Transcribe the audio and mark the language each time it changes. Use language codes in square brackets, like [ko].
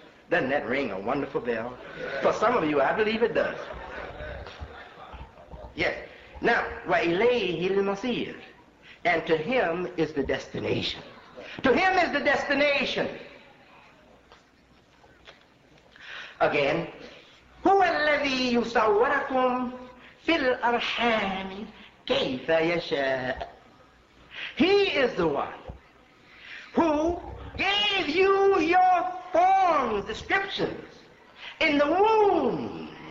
[en] Doesn't that ring a wonderful bell? For some of you, I believe it does. Yes. Now, [ar] wa ilayhi al-masir. [en] And to him is the destination. To him is the destination. Again. [ar] هو الذي يصوركم في الأرحام كيف يشاء. [en] He is the one who gave you your forms, descriptions, in the wombs.